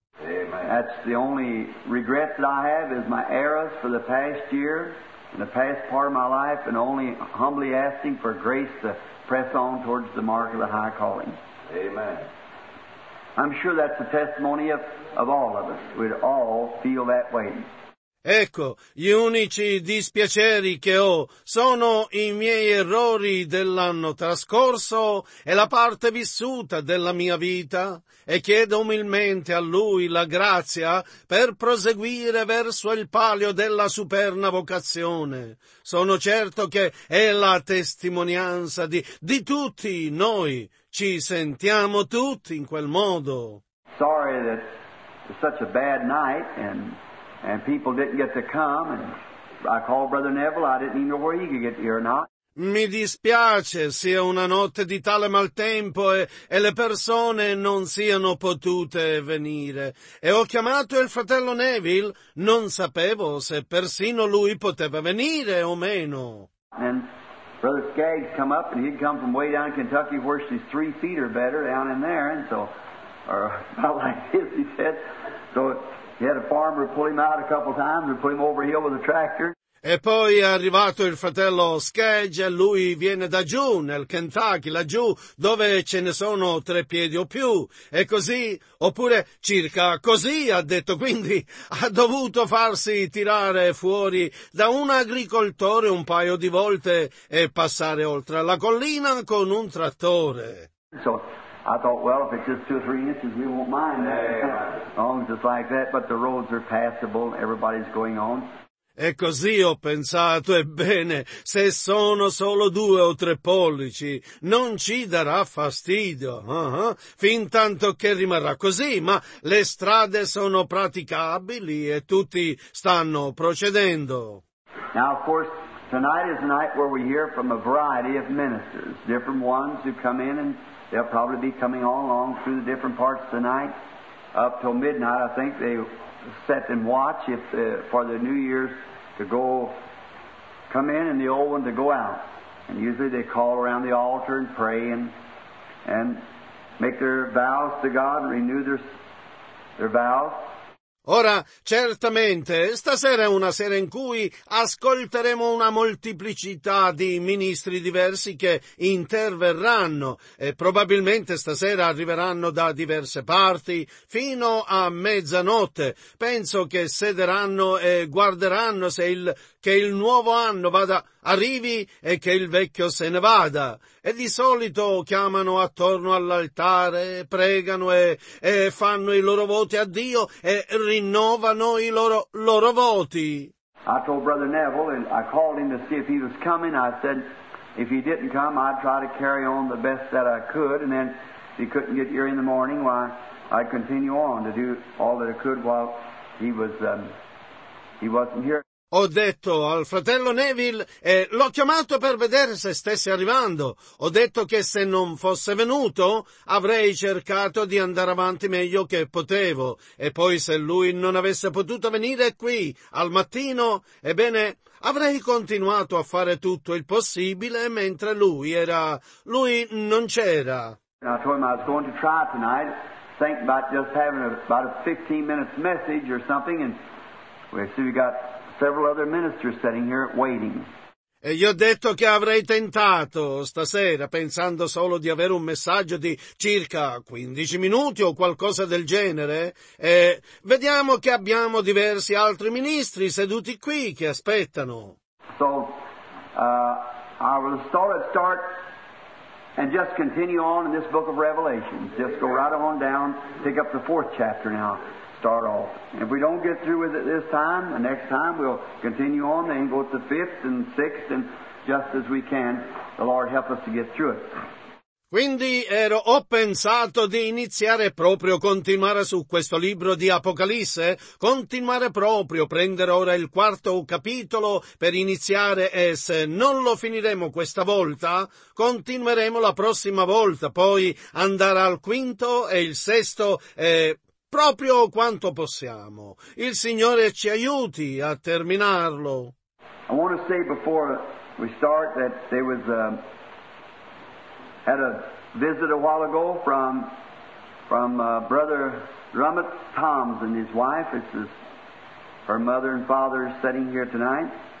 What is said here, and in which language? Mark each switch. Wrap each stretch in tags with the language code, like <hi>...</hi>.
<en>That's the only regret that I have is my errors for the past year. In the past part of my life, and only humbly asking for grace to press on towards the mark of the high calling. Amen. I'm sure that's the testimony of all of us. We'd all feel that way.</en> <it>Ecco, gli unici dispiaceri che ho sono i miei errori dell'anno trascorso e la parte vissuta della mia vita, e chiedo umilmente a Lui la grazia per proseguire verso il palio della superna vocazione. Sono certo che è la testimonianza di tutti noi, ci sentiamo tutti in quel modo.</it> <en>Sorry that it's such a bad night and people didn't get to come, and I called Brother Neville, I didn't even know where he could get here or not.</en> <it>Mi dispiace sia una notte di tale maltempo e le persone non siano potute venire. E ho chiamato il fratello Neville, non sapevo se persino lui poteva venire o meno.</it> <en>And Brother Skaggs come up and he'd come from way down in Kentucky where she's 3 feet or better down in there, and so, or about like this, he said. So he had a farmer pull him out a couple times and put him over a hill with a tractor.</en> <it>E poi è arrivato il fratello Skaggs e lui viene da giù, nel Kentucky, laggiù, dove ce ne sono 3 piedi o più. E così, oppure circa così, ha detto, quindi ha dovuto farsi tirare fuori da un agricoltore un paio di volte e passare oltre la collina con un trattore.</it> <en>So, I thought, well, if it's just 2 or 3 inches, we won't mind that. Yeah. Long just like that, but the roads are passable, everybody's going on.</en> <it>E così ho pensato, ebbene, se sono solo 2 o 3 pollici, non ci darà fastidio, fin tanto che rimarrà così, ma le strade sono praticabili e tutti stanno procedendo.</it> <en>Now, of course, tonight is a night where we hear from a variety of ministers, different ones who come in, and they'll probably be coming all along through the different parts of the night, up till midnight, I think they set and watch if for the New Year's to go, come in, and the old one to go out. And usually they call around the altar and pray and make their vows to God, renew their vows.</en> <it>Ora, certamente, stasera è una sera in cui ascolteremo una molteplicità di ministri diversi che interverranno e probabilmente stasera arriveranno da diverse parti fino a mezzanotte. Penso che sederanno e guarderanno se il nuovo anno arrivi e che il vecchio se ne vada. E di solito chiamano attorno all'altare, pregano e fanno i loro voti a Dio e rinnovano i loro voti.</it> <en>I told Brother Neville, and I called him to see if he was coming. I said, if he didn't come, I'd try to carry on the best that I could. And then, if he couldn't get here in the morning, why, I'd continue on to do all that I could while he wasn't here.</en> <it>Ho detto al fratello Neville, l'ho chiamato per vedere se stesse arrivando. Ho detto che se non fosse venuto, avrei cercato di andare avanti meglio che potevo. E poi se lui non avesse potuto venire qui al mattino, ebbene, avrei continuato a fare tutto il possibile mentre lui non c'era.</it> <en>I told him I was going to try tonight, think about just having about a 15 minutes message or something, and we see we got several other ministers sitting here waiting.</en> <it>E gli ho detto che avrei tentato stasera, pensando solo di avere un messaggio di circa 15 minuti o qualcosa del genere. E vediamo che abbiamo diversi altri ministri seduti qui che aspettano.</it> <en>So, I will start and just continue on in this book of Revelation. Just go right on down, pick up the 4th chapter now. Start off. And if we don't get through with it this time, the next time we'll continue on and go to 5th and 6th, and just as we can, the Lord help us to get through it.</en> <it>Quindi ho pensato di iniziare proprio, continuare su questo libro di Apocalisse, continuare proprio, prendere ora il 4° capitolo per iniziare, e se non lo finiremo questa volta, continueremo la prossima volta, poi andare al 5° e il 6° e proprio quanto possiamo. Il Signore ci aiuti a terminarlo.</it> <en>I want to say before we start that there was had a visit a while ago from Brother Drummond Toms and his wife. It's his, her mother and father sitting here tonight.</en>